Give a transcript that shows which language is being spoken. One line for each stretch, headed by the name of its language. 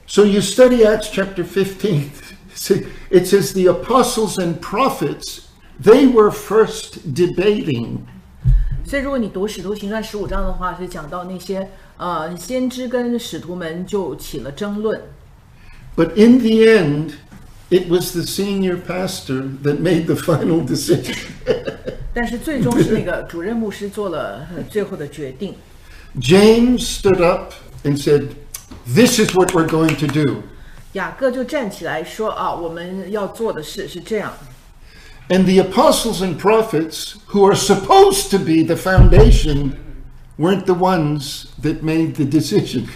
English: So you study Acts chapter 15. It says the apostles and prophets, they were first debating.
Chinese: 所以如果你读使徒行传15章的话，是讲到那些先知跟使徒们就起了争论。
English: But in the end,It was the senior pastor that made the final decision.
Chinese: 但是最终是那个主任牧师做了最后的决定。
English: James stood up and said, "This is what we're going to do."
Chinese: 雅各就站起来说啊，我们要做的事是这样。
English: And the apostles and prophets, who are supposed to be the foundation, weren't the ones that made the decision.